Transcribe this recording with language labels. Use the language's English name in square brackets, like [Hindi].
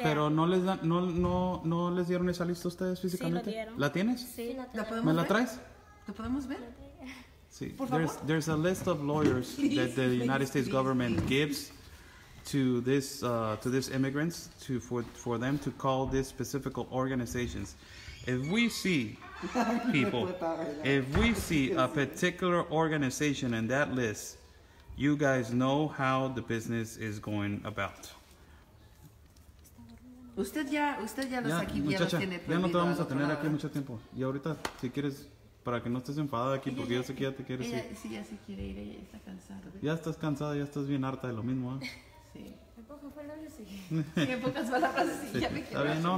[Spanish] pero no les dan, no les dieron esa lista a ustedes físicamente. Sí, lo dieron. ¿La tienes? Sí, la tienes. ¿Me la traes? ¿La podemos ver? Sí. [English] There's a list of lawyers that the United States government gives to this immigrants for them to call these specific organizations. If we see a particular organization in that list, you guys know how the business is going about. [Spanish] Usted ya no te vamos a tener aquí mucho tiempo. Y ahorita, si quieres, para que no estés enfadada aquí, porque yo sé que ya te quieres ir. Sí, ya se quiere ir, ella está cansada. Ya estás cansada, ya estás bien harta de lo mismo. Sí. En pocas palabras, sí. En pocas palabras, sí, ya me quiero.